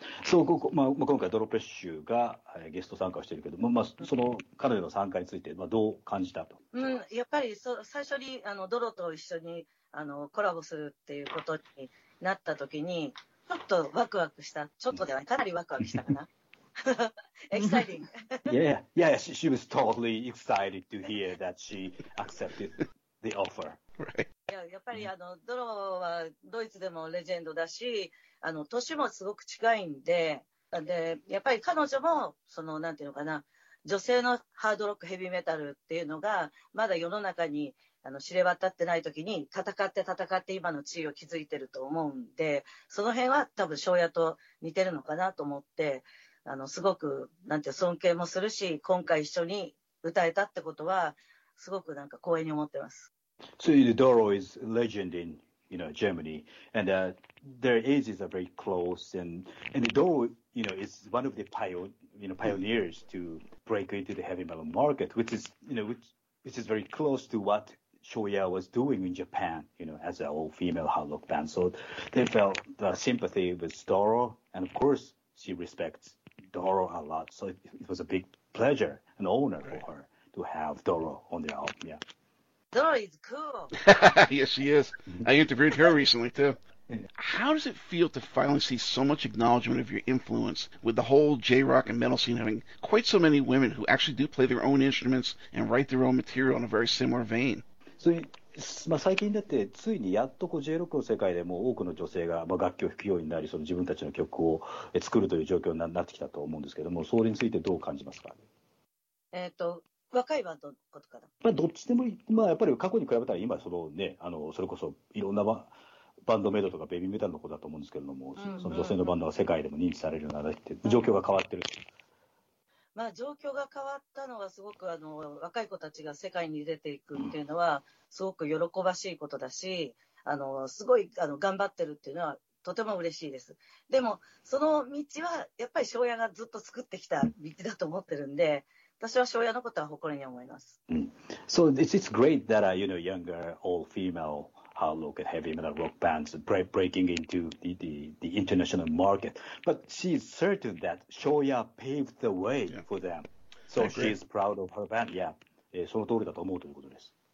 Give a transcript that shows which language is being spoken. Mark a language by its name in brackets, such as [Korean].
[Japanese] So, まあ、今回ドロペッシュが、ゲスト参加してるけど、まあ、その彼女の参加について、まあ、どう感じたと。うん、やっぱり最初にドロと一緒にコラボするっていうことになった時にちょっとワクワクした、ちょっとではない、かなりワクワクしたかな。 [English] Exciting. Yeah. She was totally excited to hear that she accepted the offer. Right. [Japanese] Yeah, やっぱりドロはドイツでもレジェンドだし、年もすごく近いんで、やっぱり彼女もそのなんていうのかな、女性のハードロックヘビーメタルっていうのがまだ世の中に知れ渡ってない時に戦って今の地位を築いてると思うんで、その辺は多分庄屋と似てるのかなと思って、すごくなんて尊敬もするし、今回一緒に歌えたってことはすごくなんか光栄に思ってます。 [English] So Doro is a legend in Germany and their ages are very close, and Doro is one of the pioneers to break into the heavy metal market, which is which is very close to what Shoya was doing in Japan, as an all female hard rock band. So they felt the sympathy with Doro, and of course she respects Doro a lot. So it was a big pleasure and honor for her to have Doro on the album. Yeah. Doro is cool. Yes, she is. I interviewed her recently too. How does it feel to finally see so much acknowledgement of your influence, with the whole J-rock and metal scene having quite so many women who actually do play their own instruments and write their own material in a very similar vein? [Japanese] So, まあ、最近だってついにやっとこう J-rock の世界でも多くの女性が、まあ、楽器を弾くようになり、その自分たちの曲を作るという状況になってきたと思うんですけども、それについてどう感じますか？若いバンドのことかな、まあ、どっちでもいい、まあ、やっぱり過去に比べたら今その、ね、それこそいろんなバンドメイドとかベビーメタルの子だと思うんですけれども、うんうんうん、その女性のバンドが世界でも認知されるようになって状況が変わってる、うん、まあ、状況が変わったのはすごく若い子たちが世界に出ていくっていうのはすごく喜ばしいことだし、すごい頑張ってるっていうのはとても嬉しいです。でもその道はやっぱり庄屋がずっと作ってきた道だと思ってるんで、私は庄屋のことは誇りに思います、 [English] うん、So it's great that younger all femaleHard rock and heavy metal rock bands breaking into the international market, but she's certain that Shoya paved the way for them. So she's proud of her band. Yeah, [Japanese] その通りだと思うということです。